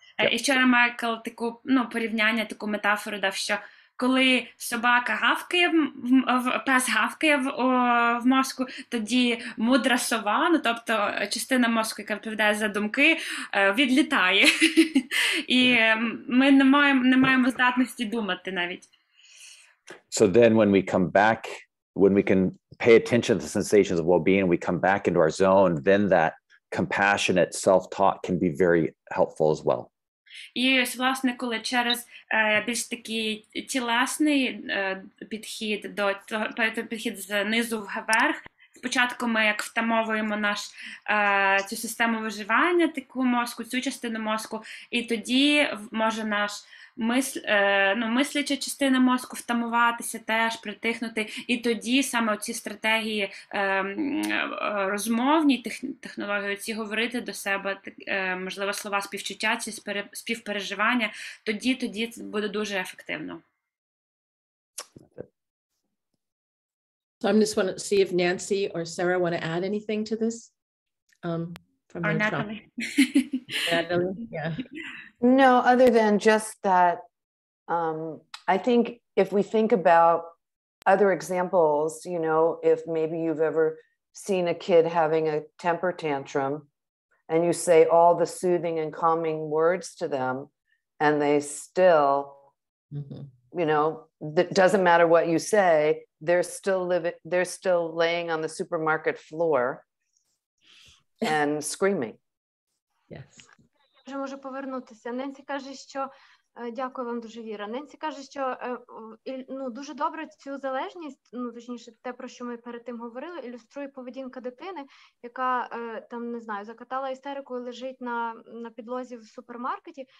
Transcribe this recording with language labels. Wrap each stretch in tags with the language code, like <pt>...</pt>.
<uk>І вчора Майкл таку, ну, порівняння, таку метафору дав, що коли собака гавкає, пес гавкає в мозку, тоді мудра сова, ну, тобто частина мозку, яка відповідає за думки, відлітає. І ми не маємо здатності думати навіть.</uk> <en>So then when we come back, when we can pay attention to the sensations of well-being, we come back into our zone, then that compassionate self-talk can be very helpful as well. Yes,</en> <uk>власне, коли через більш такий тілесний підхід до того, підхід знизу вверх, спочатку ми як втамовуємо наш цю систему виживання, таку мозку, цю частину мозку, і тоді може наш мисляча частина мозку втамуватися теж, притихнути, і тоді саме ці стратегії розмовні, технології, ці говорити до себе, можливо, слова співчуття чи співпереживання, тоді це буде дуже ефективно.</uk> <en>So I'm just want to see if Nancy or Sarah want to add anything to this. From or Natalie. Natalie, yeah. No, other than just that, I think if we think about other examples, you know, if maybe you've ever seen a kid having a temper tantrum and you say all the soothing and calming words to them and they still, mm-hmm. you know, it doesn't matter what you say, they're still laying on the supermarket floor and screaming. Yes.</en> <uk>Вже може повернутися. Ненсі каже, що дякую вам дуже, Віра. Ненсі каже, що ну дуже добре цю залежність, ну точніше, те, про що ми перед тим говорили, ілюструє поведінка дитини, яка там не знаю, закатала істерику і лежить на підлозі в супермаркеті.</uk>